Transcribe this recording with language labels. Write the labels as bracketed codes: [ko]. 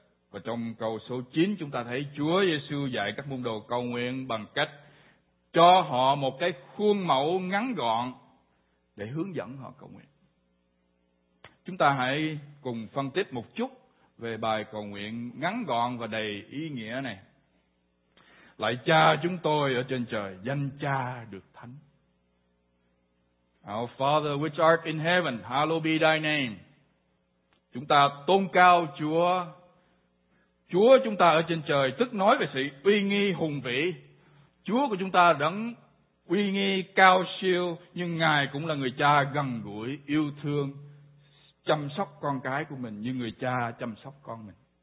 [vi] Và trong câu số 9 chúng ta thấy Chúa Giêsu dạy các môn đồ cầu nguyện bằng cách cho họ một cái khuôn mẫu ngắn gọn để hướng dẫn họ cầu nguyện. Chúng ta hãy cùng phân tích một chút về bài cầu nguyện ngắn gọn và đầy ý nghĩa này. Lạy Cha chúng tôi ở trên trời, danh Cha được thánh. [en] Our Father which art in heaven, hallowed be thy name. [vi] Chúng ta tôn cao Chúa. Chúa chúng ta ở trên trời, tức nói về sự uy nghi hùng vĩ. Chúa của chúng ta đấng uy nghi cao siêu, nhưng Ngài cũng là người Cha gần gũi, yêu thương, chăm sóc con cái của mình như người Cha chăm sóc con mình.